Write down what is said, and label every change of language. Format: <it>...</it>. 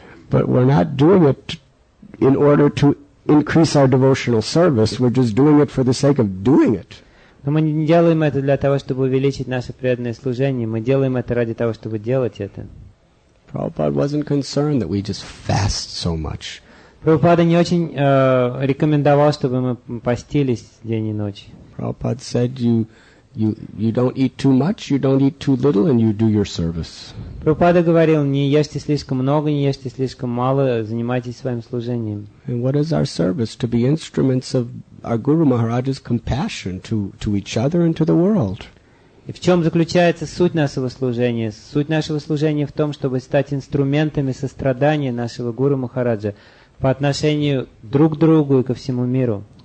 <en>But we're not doing it in order to increase our devotional service. We're just doing it for the sake of doing it.</en> <ru>Но мы не делаем это для того, чтобы увеличить наше преданное служение. Мы делаем это ради того, чтобы делать это.</ru> <en>Prabhupada wasn't concerned that we just fast so much.</en> <ru>Прабхупада не очень рекомендовал, чтобы мы постились день и ночь.</ru> <en>Prabhupada said you don't eat too much, you don't eat too little, and you do your service.</en> <ru>Прабхупада говорил, не ешьте слишком много, не ешьте слишком мало, занимайтесь своим служением.</ru> <en>And what is our service? To be instruments of our Guru Maharaj's compassion to each other and to the world.</en> <ru>И в чем заключается суть нашего служения? Суть нашего служения в том, чтобы стать инструментами сострадания нашего Гуру Махараджа по отношению друг к другу и ко всему миру.</ru>